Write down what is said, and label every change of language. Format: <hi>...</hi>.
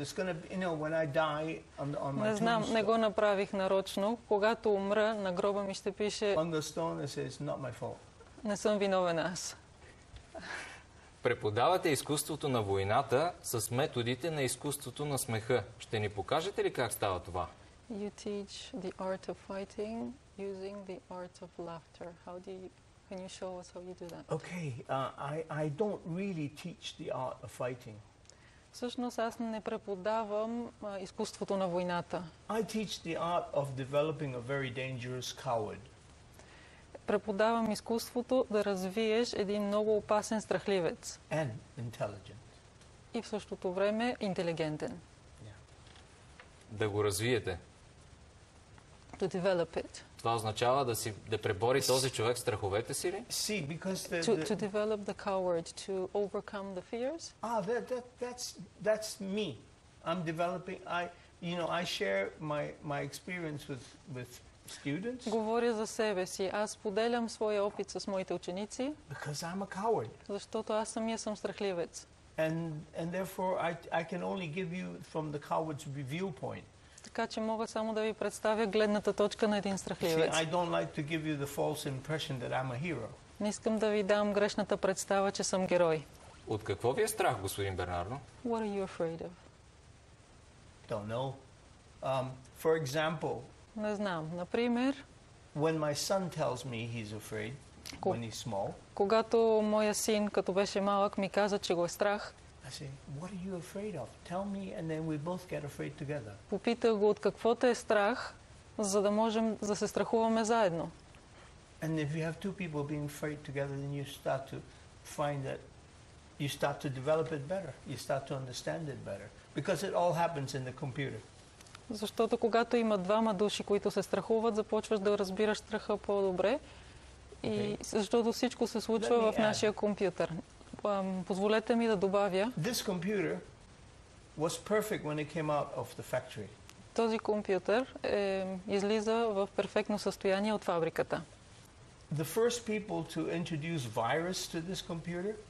<en>It's gonna, you know, when I die on my tombstone.</en> <bg>Не знам, не го направих нарочно. Когато умра, на гроба ми ще пише.</bg> <en>On the stone it says, not my fault.</en> <bg>Не съм виновен аз. Преподавате изкуството на войната с методите на изкуството на смеха. Ще ни покажете ли как става това?</bg> <en>You teach the art of fighting using the art of laughter. How do you, can you show us how you do that? Okay, I don't really teach the art of fighting.</en> <bg>Всъщност аз не преподавам изкуството на войната.</bg> <en>I teach the art of developing a very dangerous coward.</en> <bg>Преподавам изкуството да развиеш един много опасен страхливец.</bg> <en>And intelligent.</en> <bg>И в същото време интелигентен. Да го развиете.</bg> <en>To develop it.</en> <bg>Това означава да си да пребори този човек страховете си ли?</bg> <en>See, because the, to develop the coward, to overcome the fears. That's me. I'm developing. I share my experience with students.</en> <bg>Говоря за себе си. Аз поделям своя опит с моите ученици.</bg> <en>Because I'm a coward.</en> <bg>Защото аз самия съм страхливец.</bg> <en>And therefore I can only give you from the coward's viewpoint.</en> <bg>Така че мога само да ви представя гледната точка на един страхливец.</bg> <en>See, I don't like to give you the false impression that I'm a hero.</en> <bg>Не искам да ви дам грешната представа, че съм герой. От какво ви е страх, господин Бернардо?</bg> <en>What are you afraid of? Don't know. For example,</en> <bg>не знам. Например,</bg> <en>when my son tells me he's afraid, when he's small,</en> <bg>когато моя син, като беше малък, ми каза, че го е страх,</bg> <en>I say, what are you afraid of? Tell me, and then we both get afraid together.</en> <bg>Попитах го от какво те е страх, за да можем да се страхуваме заедно.</bg> <en>And if you have two people being afraid together, then you start to find that you start to develop it better. You start to understand it better. Because it all happens in the computer.</en> <bg>Защото когато има двама души, които се страхуват, започваш да разбираш страха по-добре. И защото всичко се случва в нашия компютър. Позволете ми да добавя.</bg> <en>This computer was perfect when it came out of the factory.</en> <bg>Този компютър излиза в перфектно състояние от фабриката.</bg> <en>The first people to introduce virus to this computer.</en>